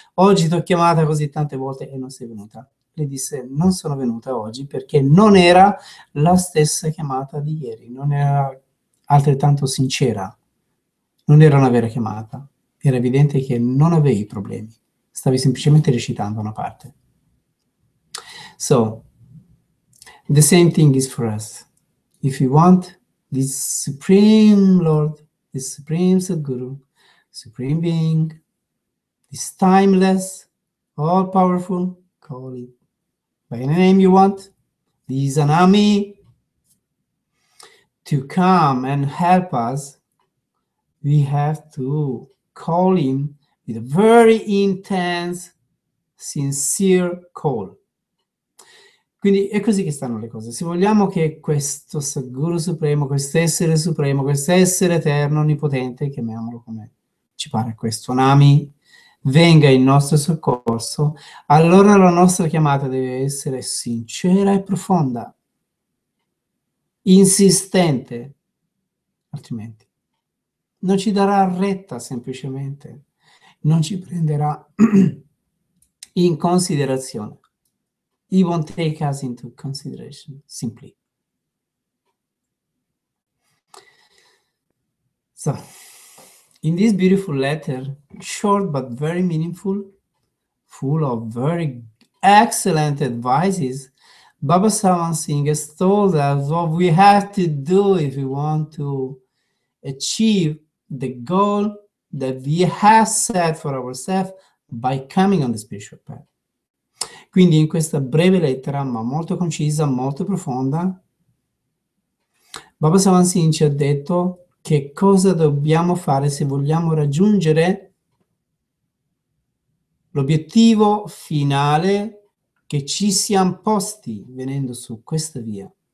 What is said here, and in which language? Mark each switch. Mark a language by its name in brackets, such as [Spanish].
[Italian] Oggi ti ho chiamata così tante volte e non sei venuta." Le disse: "Non sono venuta oggi perché non era la stessa chiamata di ieri, non era altrettanto sincera, non era una vera chiamata. Era evidente che non avevi problemi, stavi semplicemente recitando una parte." [English] So, the same thing is for us. If you want this Supreme Lord, this Supreme Satguru, Supreme Being, this timeless, all-powerful, call it by any name you want, this Anami, to come and help us, we have to call him with a very intense, sincere call. [Italian] Quindi è così che stanno le cose. Se vogliamo che questo Satguru Supremo, quest'essere eterno, onnipotente, chiamiamolo come ci pare, questo Nami, venga in nostro soccorso, allora la nostra chiamata deve essere sincera e profonda, insistente, altrimenti non ci darà retta semplicemente, non ci prenderà in considerazione. [English] He won't take us into consideration, simply. So, in this beautiful letter, short but very meaningful, full of very excellent advices, Baba Sawan Singh has told us what we have to do if we want to achieve the goal that we have set for ourselves by coming on the spiritual path. [Italian] Quindi in questa breve lettera, ma molto concisa, molto profonda, Baba Sawan Singh ci ha detto che cosa dobbiamo fare se vogliamo raggiungere l'obiettivo finale che ci siamo posti venendo su questa via.